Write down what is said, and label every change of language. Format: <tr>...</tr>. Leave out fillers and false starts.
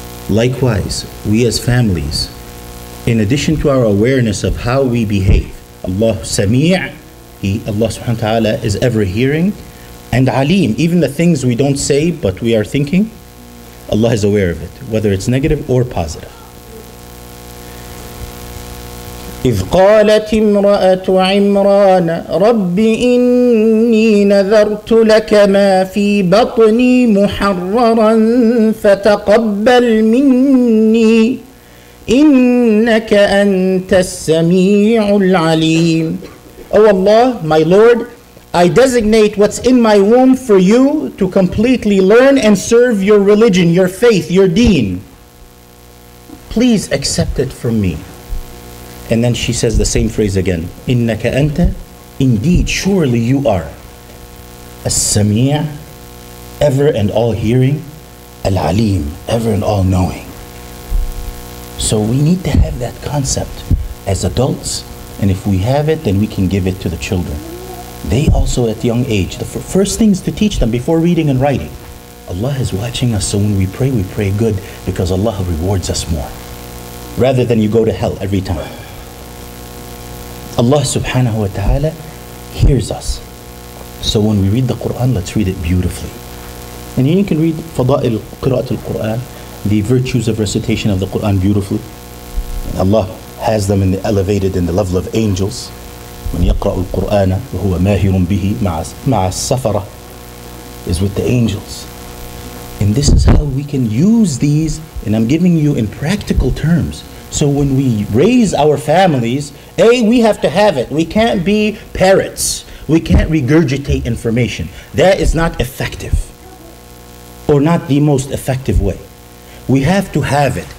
<en>Likewise, we as families, in addition to our awareness of how we behave, Allah Sami', Allah subhanahu wa ta'ala is ever hearing, and Alim, even the things we don't say but we are thinking, Allah is aware of it, whether it's negative or positive.</en> <ar>إذ قالت امرأة عمران رب إني نذرت لك ما في بطني محررا فتقبل مني إنك أنت السميع العليم.</ar> <en>Oh Allah, my Lord, I designate what's in my womb for you to completely learn and serve your religion, your faith, your deen. Please accept it from me. And then she says the same phrase again. Innaka anta, indeed, surely you are. As-sami'a, ever and all hearing. Al-alim, ever and all knowing. So we need to have that concept as adults. And if we have it, then we can give it to the children. They also at young age, the first things to teach them before reading and writing. Allah is watching us, so when we pray good, because Allah rewards us more. Rather than you go to hell every time. Allah subhanahu wa ta'ala hears us. So when we read the Qur'an, let's read it beautifully. And you can read Fada'il Qira'at al-Qur'an, the virtues of recitation of the Qur'an beautifully. And Allah has them in the elevated in the level of angels.</en> <ar>When يَقْرَأُ الْقُرْآنَ وَهُوَ مَاهِرٌ بِهِ مَعَ السَّفَرَةِ</ar> <en>is with the angels. And this is how we can use these, and I'm giving you in practical terms. So when we raise our families, A, we have to have it. We can't be parrots. We can't regurgitate information. That is not effective. Or not the most effective way. We have to have it.</en>